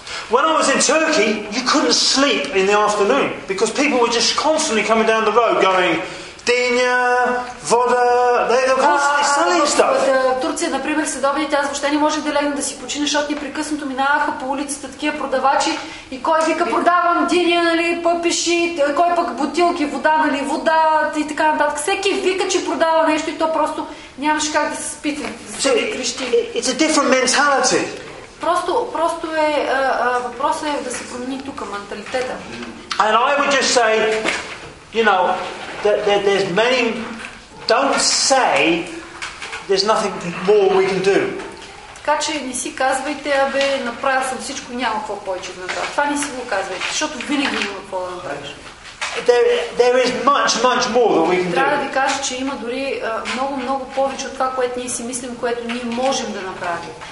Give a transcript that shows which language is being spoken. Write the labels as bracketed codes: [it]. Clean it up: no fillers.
[en] When I was in Turkey, you couldn't sleep in the afternoon because people were just constantly coming down the road going [bg] Dinya, voda, [en] they're constantly selling stuff. [bg] В Турция, например, следобедите, аз въобще не можех да легна да си почина, защото непрекъснато минаваха по улицата такива продавачи и кой вика продавам диня, нали, пъпиши, кой пък бутилки, вода, нали, вода и така нататък. Всеки вика, че продава нещо и то просто нямаш как да се спите, да се крещи. [en] It's a different mentality. [bg] Просто е, въпросът е да се промени тук менталитета. [en] And I would just say, you know, there's many, don't say there's nothing more we can do. [bg] Така че не си казвайте, абе, направил съм всичко, няма какво повече да направя. Това не си го казвайте, защото винаги има какво да направиш. [en] There is much more that we can do. [bg] Трябва да ви кажа, че има дори много повече от това, което ние си мислим, което ние можем да направим.